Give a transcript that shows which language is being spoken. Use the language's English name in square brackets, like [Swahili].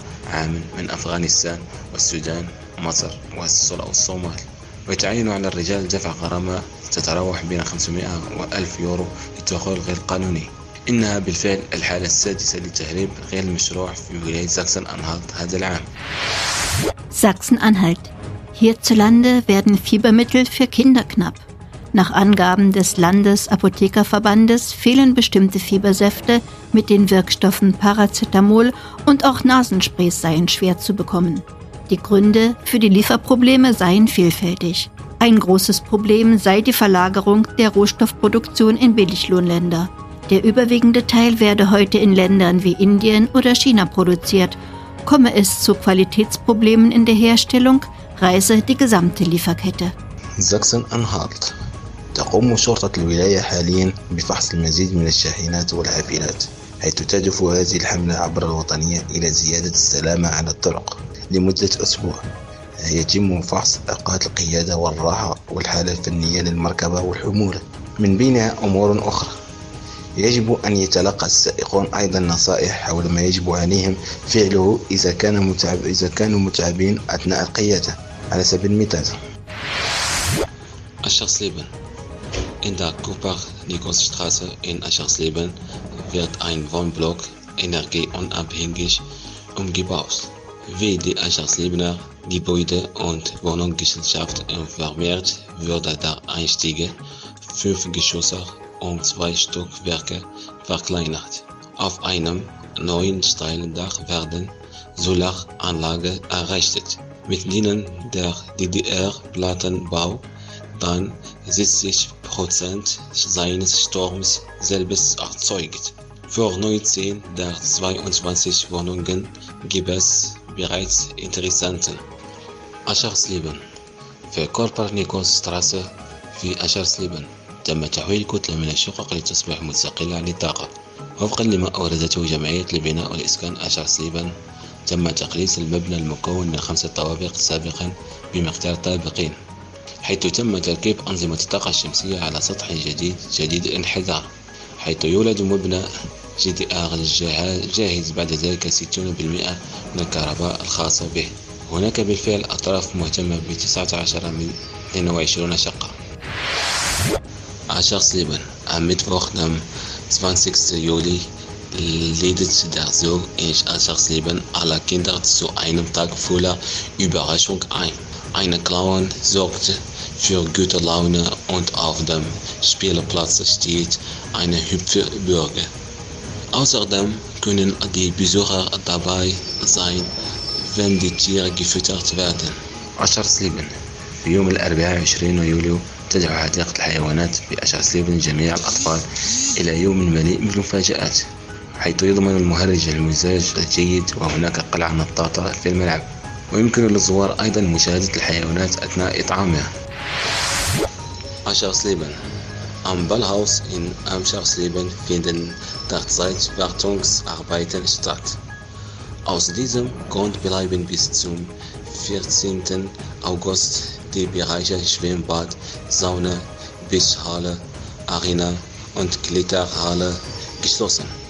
[Arabic] عاما من أفغانستان والسودان ومصر والسلطة والصومال ويتعين على الرجال دفع غرامة تتراوح بين 500 و1000 يورو للدخول غير قانوني إنها بالفعل الحالة السادسة للتهريب غير المشروع في ولاية ساكسن أنهالت هذا العام [German] ساكسن أنهالت Hierzulande werden Fiebermittel für Kinder knapp. Nach Angaben des Landesapothekerverbandes fehlen bestimmte Fiebersäfte mit den Wirkstoffen Paracetamol und auch Nasensprays seien schwer zu bekommen. Die Gründe für die Lieferprobleme seien vielfältig. Ein großes Problem sei die Verlagerung der Rohstoffproduktion in Billiglohnländer. Der überwiegende Teil werde heute in Ländern wie Indien oder China produziert. Komme es zu Qualitätsproblemen in der Herstellung, reise die gesamte Lieferkette. Sachsen-Anhalt. [Arabic] تقوم شرطة الولاية حاليا بفحص المزيد من الشاحنات والحافلات حيث تهدف هذه الحملة عبر الوطنية إلى زيادة السلامة على الطرق لمدة أسبوع يتم فحص أوقات القيادة والراحة والحالة الفنية للمركبة والحمولة من بينها أمور أخرى يجب أن يتلقى السائقون أيضا نصائح حول ما يجب عليهم فعله إذا كانوا متعبين أثناء القيادة على سبيل المثال [German] Aschersleben In der Kupfer-Nikos-Straße in Aschersleben wird ein Wohnblock energieunabhängig umgebaut. Wie die Aschersleben Gebäude- und Wohnungsgesellschaft informiert, würde der Einstieg 5 Geschosse und 2 Stockwerke verkleinert. Auf einem neuen Steildach werden Solaranlagen errichtet. Mit denen der DDR-Plattenbau dann 70% seines Stroms selbst erzeugt. Für 19 der 22 Wohnungen gibt es bereits Interessenten. Aschersleben. Für Kupfer-Nikos-Straße wie Aschersleben. [Arabic] تم تحويل كتلة من الشقق لتصبح مستقلة عن الطاقة. وفقا لما أوردته جمعية البناء والإسكان أشرسليبن، تم تقليص المبنى المكون من 5 طوابق سابقا بمقدار طابقين، حيث تم تركيب أنظمة الطاقة الشمسية على سطح جديد الانحدار، حيث يولد مبنى GDR جاهز بعد ذلك 60% من الكهرباء الخاصة به. هناك بالفعل أطراف مهتمة ب 19 من 22 شقة. [German] Aschersleben. Am Mittwoch, dem 20. Juli, lädt der Zoo in Aschersleben alle Kinder zu einem Tag voller Überraschung ein. Eine Clown sorgt für gute Laune und auf dem Spielplatz steht eine Hüpfburge. Außerdem können die Besucher dabei sein, wenn die Tiere gefüttert werden. [Arabic] أشهر سليبن في يوم الأربعاء 20 يوليو تدعو حديقة الحيوانات بأشهر سليبن جميع الأطفال إلى يوم مليء بالمفاجآت، حيث يضمن المهرج المزاج الجيد وهناك قلعة نطاطة في الملعب، ويمكن للزوار أيضا مشاهدة الحيوانات أثناء إطعامها. [German] أشهر سليبن Am Ballhaus in Amscharsleben finden derzeit Wartungsarbeiten statt. Aus diesem Grund bleiben bis zum 14. August die Bereiche Schwimmbad, Sauna, Beachhalle, Arena und Kletterhalle geschlossen.